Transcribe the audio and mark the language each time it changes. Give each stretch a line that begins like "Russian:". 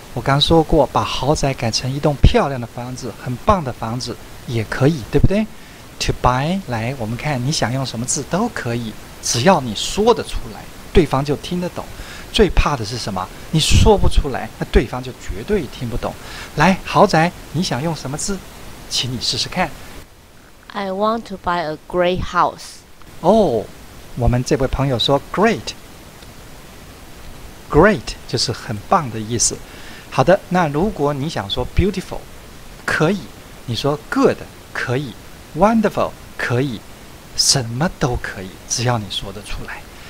Chinese: 我刚说过，把豪宅改成一栋漂亮的房子，很棒的房子也可以，对不对？
English: To buy，
Chinese: 来，我们看你想用什么字都可以，只要你说得出来，对方就听得懂。最怕的是什么？你说不出来，那对方就绝对听不懂。来，豪宅，你想用什么字？请你试试看。
English: I want to buy a great house.
Chinese: 哦，我们这位朋友说 great， great 就是很棒的意思。好的，那如果你想说 beautiful， 可以，你说 good 可以， wonderful 可以，什么都可以，只要你说得出来。